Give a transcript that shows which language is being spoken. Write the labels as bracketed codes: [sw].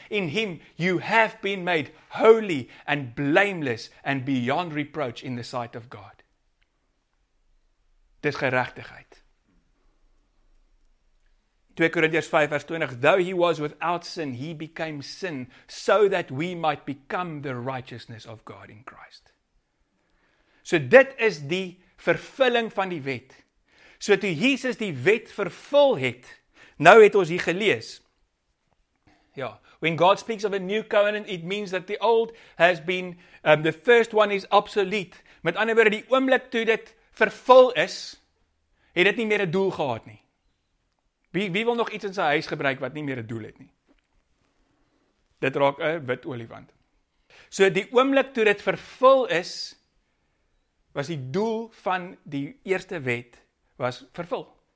[en] In him you have been made holy and blameless and beyond reproach in the sight of God. [af] Dis geregtigheid. [en] 2 Korintiërs 5 vers 20. Though he was without sin, he became sin so that we might become the righteousness of God in Christ. [af] So dit is die vervulling van die wet. So toe Jesus die wet vervul het, nou het ons hier gelees. [en] Ja, when God speaks of a new covenant, it means that the old has been, the first one is obsolete. [af] Met ander woorde, die oomblik toe dit vervul is, het dit nie meer 'n doel gehad nie. Wie wil nog iets in sy huis gebruik wat nie meer 'n doel het nie? Dit raak 'n wit olifant. So die oomblik toe dit vervul is, was die doel van die eerste wet, was vervul.